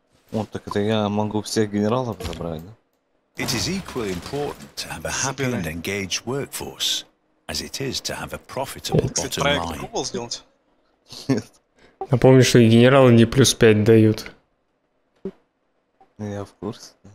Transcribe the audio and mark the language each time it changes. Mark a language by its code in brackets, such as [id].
[ru] Вот, так это я могу всех генералов забрать, да? [en] It is equally important to have a happy and engaged workforce, as it is to have a profitable bottom line. [ru] Напомню, что генералы не плюс 5 дают. Я в курсе.